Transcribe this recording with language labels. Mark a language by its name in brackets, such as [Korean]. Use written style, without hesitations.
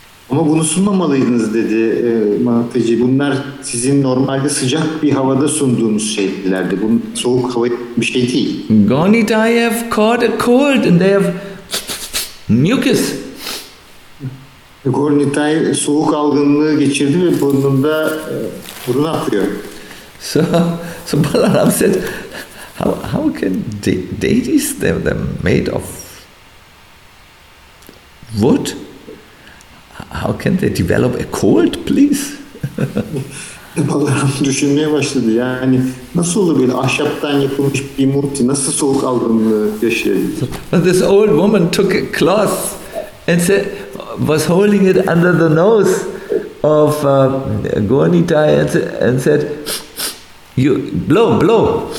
[Turkish] Ama bunu sunmamalıydınız dedi mantıcı. Bunlar sizin normalde sıcak bir havada sunduğunuz şeylerdi. Bu soğuk hava bir şey değil. [English] Gornitai have caught a cold and they have mucus. [Turkish] Gornitai soğuk algınlığı geçirdi ve burnunda burun akıyor. [English] So Balaram said, how can deities, they're made of wood? How can they develop a cold, please? [Turkish] Balaram düşünmeye başladı. Yani nasıl olur böyle ahşaptan yapılmış bir murti nasıl soğuk algınlığı yaşayabilir? [English] This old woman took a cloth and said, was holding it under the nose of Gornitai and said, "You blow, blow."